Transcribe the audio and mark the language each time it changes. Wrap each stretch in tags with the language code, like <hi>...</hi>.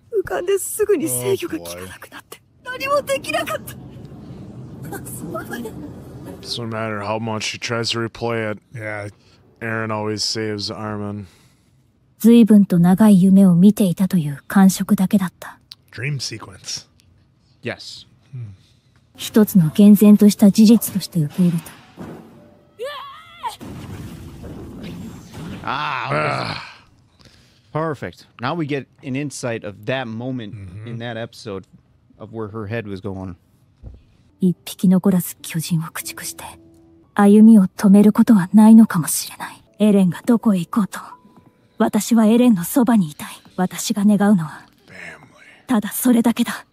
<ja>浮かんですぐに制御が効かなくなって何もできなかった。すまない。</ja> <en>So no matter how much she tries to replay it, yeah, Eren always saves Armin.</en> <ja>随分と長い夢を見ていたという感触だけだった。</ja> <en>Dream sequence. Yes.</en> <ja>一つの厳然とした事実として受け入れた。</ja> <en>Ah, perfect. Now we get an insight of that moment in that episode of where her head was going.</en> <ja>一匹残らず巨人を駆逐して歩みを止めることはないのかもしれない。エレンがどこへ行こうと私はエレンのそばにいたい。私が願うのはただそれだけだ。</ja>